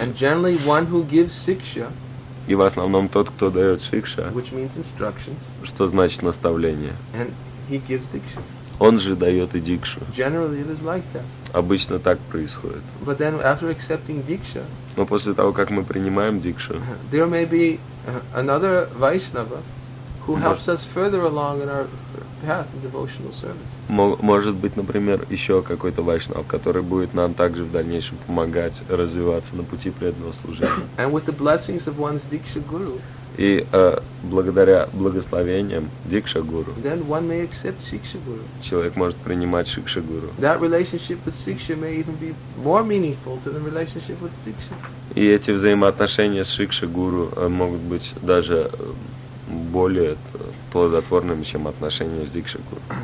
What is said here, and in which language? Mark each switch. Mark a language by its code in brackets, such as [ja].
[en] And generally one who gives siksha, [ru] и в основном тот, кто дает шикша, [en] which means instructions, [ru] что значит наставление. [en] And he gives diksha. [ru] Он же дает и дикшу. [en] Generally it is like that. [ru] Обычно так происходит. [en] But then after accepting diksha, [ru] но после того, как мы принимаем дикшу, [en] there may be another Vaishnava who helps us further along in our path of devotional service. [ru] Может быть, например, еще какой-то вайшнав, который будет нам также в дальнейшем помогать развиваться на пути преданного служения. [en] And with the blessings of one's diksha guru, [ru] и благодаря благословениям дикша гуру, [en] then one may accept siksha guru. [ru] Человек может принимать шикша гуру. [en] That relationship with siksha may even be more meaningful than the relationship with diksha. [ru] И эти взаимоотношения с шикша гуру могут быть даже более плодотворными, чем отношения с дикша гуру.